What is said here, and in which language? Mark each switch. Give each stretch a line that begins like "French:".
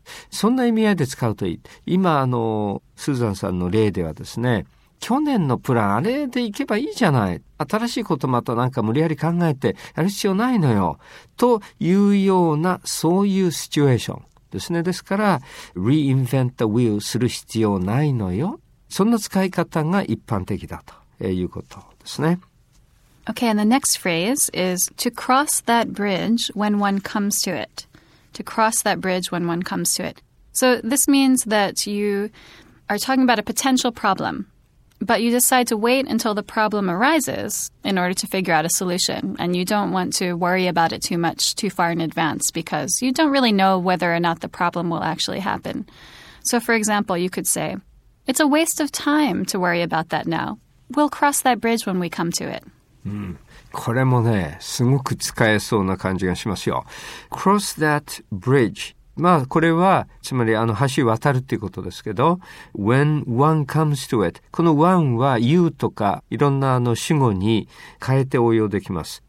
Japanese: そんな意味合いで使うといい。今、スーザンさんの例ではですね、去年のプランあれで行けばいいじゃない、新しいことまたなんか無理やり考えてやる必要ないのよ、というようなそういうシチュエーションですね。ですから
English: reinvent the wheel
Japanese: する必要ないのよ、そんな使い方が一般的だということですね。
English: Okay, and the next phrase is to cross that bridge when one comes to it. To cross that bridge when one comes to it. So this means that you are talking about a potential problemBut you decide to wait until the problem arises in order to figure out a solution. And you don't want to worry about it too much, too far in advance, because you don't really know whether or not the problem will actually happen. So, for example, you could say, it's a waste of time to worry about that now. We'll cross that bridge when we come to it.
Japanese: これもね、すごく使えそうな感じがしますよ。
English: Cross that bridge.
Japanese: まあこれはつまり橋渡るっていうことですけど、
English: when one comes to it、
Japanese: この one は you とかいろんな主語に変えて応用できます。